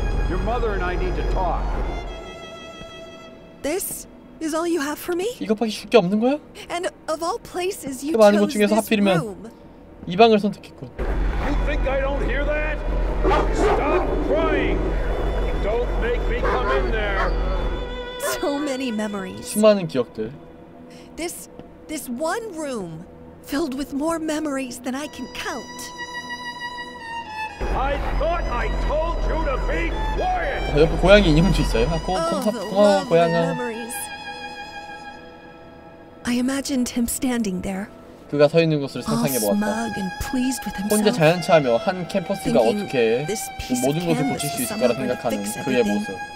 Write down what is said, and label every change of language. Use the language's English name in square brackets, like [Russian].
[English] Your mother and I need to talk. This is all you have for me? [Korean] 이것밖에 줄 게 없는 거야? [English] And of all places, you [Korean] 그 많은 곳 중에서 하필이면 이 방을 선택했군. [English] You think I don't hear that? Stop crying. Don't make me come in there. So many memories. [Korean] 수많은 기억들. [English] This one room. Filled with more memories than I can count. I thought I told you to be quiet. [Korean] 옆에 고양이 인형도 있어요. 고마워 고양아. [English] I imagined him standing there. [Korean] 그가 서 있는 것을 상상해 보았다. 혼자 자연치하며 한 캠퍼스가 어떻게 모든 것을 고칠 수 있을까 생각하는 그의 모습.